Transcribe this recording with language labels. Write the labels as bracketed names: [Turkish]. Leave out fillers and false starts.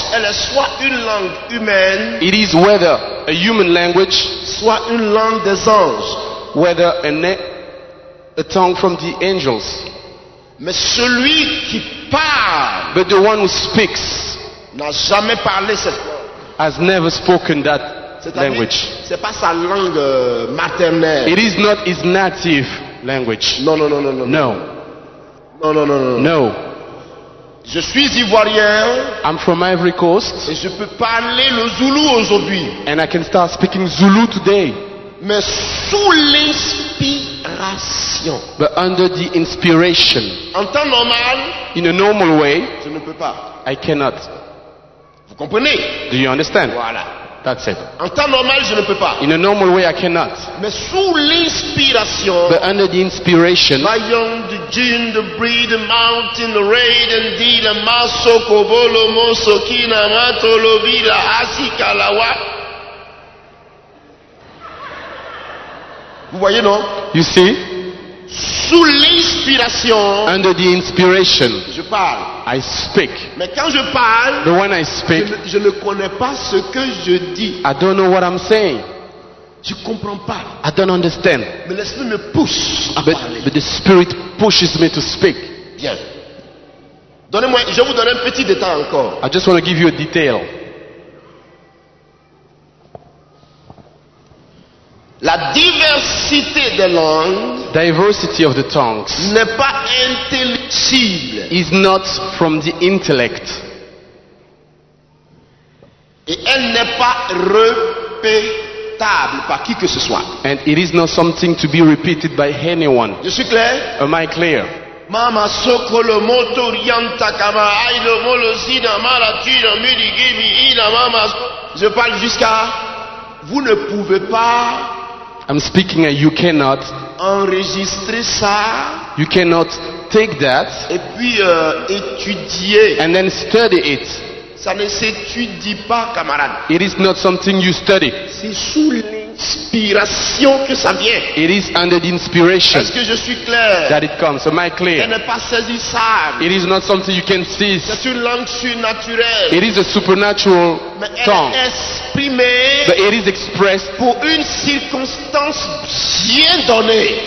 [French] elle est soit une langue humaine, [English] it is whether a human language, [French] soit une langue des anges, [English] whether a tongue from the angels. [French] Mais celui qui parle, [English] but the one who speaks, [French] n'a jamais parlé cette langue, [English] has never spoken that language. [French] C'est pas sa langue maternelle. [English] It is not his native language. [French] Non, non, non, non, non. [English] No. No, no, no, no. No. [French] Je suis ivoirien. [English] I'm from Ivory Coast. [French] Et je peux parler le Zulu aujourd'hui. [English] And I can start speaking Zulu today. [French] Mais sous l'inspiration. [English] But under the inspiration. [French] En temps normal. [English] In a normal way. [French] Je ne peux pas. [English] I cannot. [French] Vous comprenez? [English] Do you understand? [French] Voilà. [English] That's it. [French] En temps normal, je ne peux pas. [English] In a normal way, I cannot. [French] Mais sous l'inspiration. [English] But under the inspiration. Lion, the gin, the breed, the mountain, the raid, and deal, the maso, kobolo, moso, kina, mato, lovira, asika, lawa. [French] Vous voyez, non? [English] You see? [French] Sous l'inspiration. [English] Under the inspiration. [French] Je parle. [English] I speak. [French] Mais quand je parle. [English] But when I speak. [French] Je ne connais pas ce que je dis. [English] I don't know what I'm saying. [French] Je ne comprends pas. [English] I don't understand. [French] Mais l'esprit me pousse à parler. [English] But the spirit pushes me to speak. [French] Bien. Donnez-moi, je vous donne un petit détail encore. [English] I just want to give you a detail. [French] La diversité des langues, [English] diversity of the tongues, [French] n'est pas intelligible, [English] is not from the intellect, [French] et elle n'est pas répétable par qui que ce soit. [English] And it is not something to be repeated by anyone. [French] Je suis clair? [English] Am I clear? Mama sokolo moto rianta kama ailo molo sina mala tira midi gimi ina mama. [French] Je parle jusqu'à vous ne pouvez pas. [English] I'm speaking and you cannot [French] enregistrer ça. [English] You cannot take that. [French] Et puis étudier. [English] And then study it. [French] Ça ne s'étudie pas, camarade. [English] It is not something you study. [French] C'est sous l'inspiration que ça vient. [English] It is under the inspiration. [French] Est-ce que je suis clair? [English] That it comes. Am I clear? [French] Elle n'est pas saisissable. [English] It is not something you can see. [French] C'est une langue surnaturelle. [English] It is a supernatural tongue. [French] Mais elle est exprimée. [English] But it is expressed [French] pour une circonstance bien donnée.